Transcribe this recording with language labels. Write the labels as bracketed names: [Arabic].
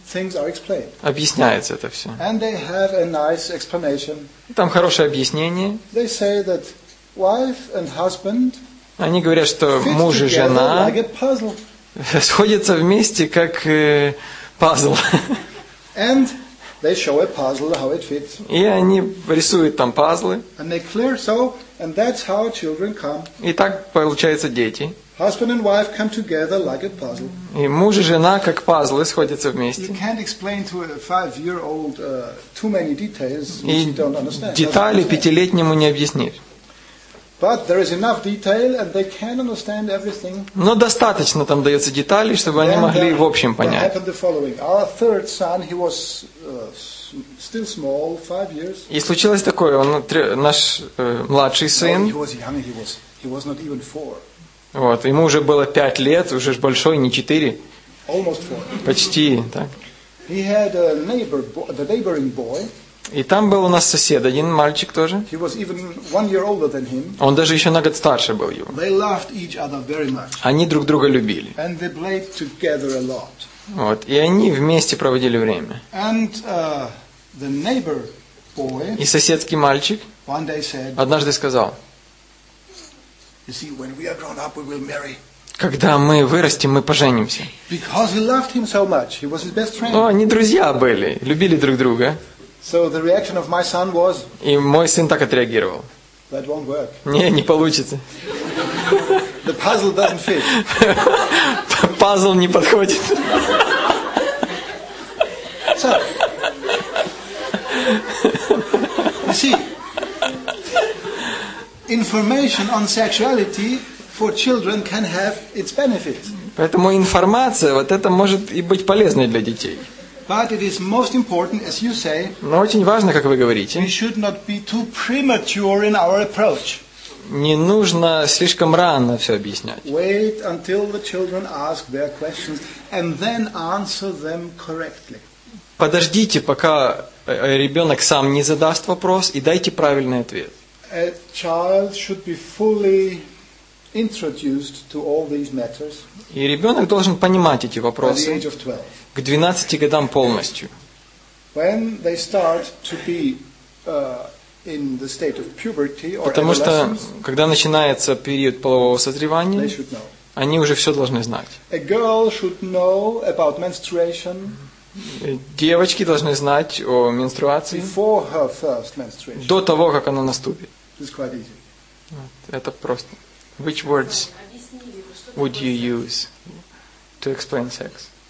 [English] things are explained. [Russian] Объясняется это все. [English] And they have a nice explanation. [Russian] Там хорошее объяснение. [English] They say that wife and husband. [Russian] Они говорят, что муж и жена сходятся вместе, как пазл. [English] And they show a puzzle how it fits. [Russian] И они рисуют там пазлы. [English] And they clear so, and that's how children come. [Russian] И так получаются дети. [English] Husband and wife come together like a puzzle. [Russian] И муж и жена как пазлы сходятся вместе. [English] You can't explain to a 5 year old too many details which you don't understand. [Russian] Детали пятилетнему не объяснишь. [English] But there is enough detail, and they can understand everything. [Russian] Но достаточно там дается деталей, чтобы [English] then [Russian] они могли в общем понять. [English] Then happened the following. Our third son, he was still small, 5 years. [Russian] И случилось такое. Он наш младший сын. [English] He was young. He was not even 4. [Russian] Вот, ему уже было 5 лет, уже ж большой, не 4. [English] Almost 4. [Russian] Почти, так. [English] He had a neighbor, the neighboring boy. [Russian] И там был у нас сосед, один мальчик тоже. [English] He was even 1 year older than him. [Russian] Он даже еще на год старше был его. [English] They loved each other very much. [Russian] Они друг друга любили. [English] And they played together a lot. [Russian] Вот. И они вместе проводили время. [English] And, the neighbor boy, [Russian] и соседский мальчик [English] one day said, [Russian] однажды сказал, [English] you see, when we are grown up, we will marry. [Russian] Когда мы вырастем, мы поженимся. [English] Because he loved him so much. He was his best friend. [Russian] Ну, они друзья были, любили друг друга. [English] So the reaction of my son was. [Russian] И мой сын так отреагировал. [English] That won't work. [Russian] Не, не получится. [English] The puzzle doesn't fit. [Russian] Пазл не подходит. [English] So. You see. Information on sexuality for children can have its benefits. [Russian] Поэтому информация вот это может и быть полезной для детей. [English] But it is most important, as you say. [Russian] Но очень важно, как вы говорите. [English] We should not be too premature in our approach. [Russian] Не нужно слишком рано все объяснять. [English] Wait until the children ask their questions and then answer them correctly. [Russian] Подождите, пока ребенок сам не задаст вопрос, и дайте правильный ответ. [English] A child should be fully introduced to all these matters. [Russian] И ребенок должен понимать эти вопросы к 12 годам полностью. [English] When they start to be in the state of puberty or [Russian] потому что когда начинается период полового созревания, [English] they should know. [Russian] Они уже все должны знать. [English] A girl should know about menstruation. [Russian] Девочки должны знать о менструации [English] before her first menstruation. [Russian] До того, как она наступит. [English] This is quite easy. [Russian] Это просто. [English] Which words would you use to explain sex?